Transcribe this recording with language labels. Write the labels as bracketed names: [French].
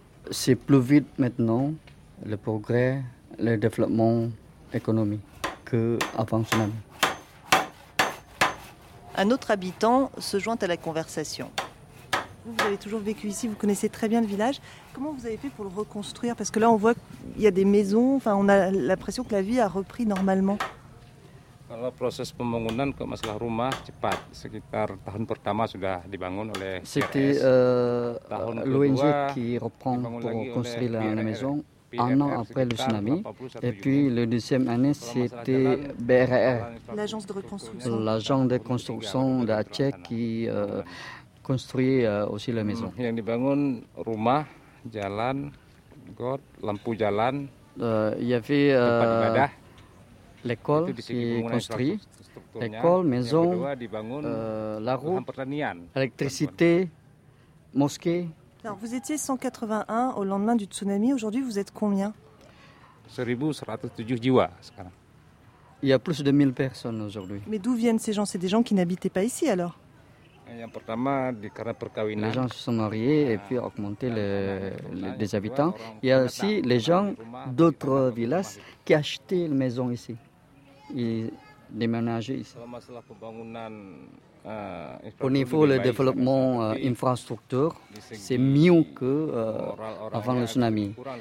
[French] C'est plus vite maintenant le progrès, le développement économique qu'avant le tsunami. Un autre habitant se joint à la conversation. Vous avez toujours vécu ici, vous connaissez très bien le village. Comment vous avez fait pour le reconstruire? Parce que là on voit qu'il y a des maisons, enfin, on a l'impression que la vie a repris normalement. [Indonesian] Kalau proses pembangunan ke masalah rumah cepat, sekitar tahun pertama sudah dibangun oleh CRS. [French] L'ONG qui reprend pour construire la maison un an après le tsunami. Et puis le deuxième année c'était BRR, l'agence de reconstruction. L'agence de construction d'Aceh qui construit aussi la maison. [Indonesian] Yang dibangun rumah, jalan, got, lampu jalan. [French] Il y avait l'école qui est construite, l'école, maison, la route, électricité, mosquée. Alors, vous étiez 181 au lendemain du tsunami, aujourd'hui vous êtes combien? [Indonesian] 1107 jiwa. [French] Il y a plus de 1000 personnes aujourd'hui. Mais d'où viennent ces gens? C'est des gens qui n'habitaient pas ici alors? [Indonesian] Yang pertama di karena perkawinan. [French] Les gens se sont mariés et puis augmenter les habitants. Il y a aussi les gens d'autres villas qui achetaient les maisons ici. Ils déménageaient ici. [Indonesian] Kalau masalah pembangunan [French] au niveau le développement infrastructure, c'est mieux que avant le tsunami.